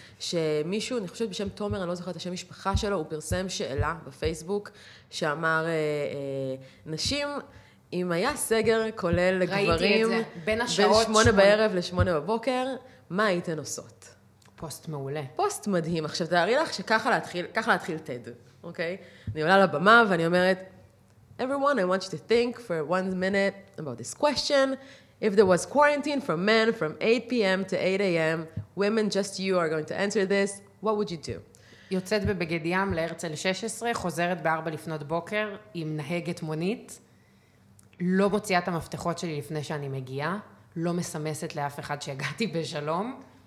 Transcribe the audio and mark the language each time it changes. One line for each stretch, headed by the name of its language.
Hebrew: שמישהו, אני חושבת בשם תומר, אני לא זוכרת את השם משפחה שלו, הוא פרסם שאלה בפייסבוק, שאמר, נשים, אם היה סגר כולל לגברים, בין השעות שמונה בערב לשמונה בבוקר, מה הייתן עושות? פוסט מעולה. פוסט מדהים. עכשיו, תארי לך שככה להתחיל TED. אוקיי? אני עולה לבמה ואני אומרת,
English: everyone, I want you to think for one minute about this question. If there was quarantine for men from 8 p.m. to 8 a.m., women, just you are going to answer this, what would you do?
Hebrew: יוצאת בבגד ים להרצל 16, חוזרת ב-4 לפנות בוקר עם נהגת מונית, לא מוציאה את המפתחות שלי לפני שאני מגיעה, לא מסמסת לאף אחד שהגעתי בשלום.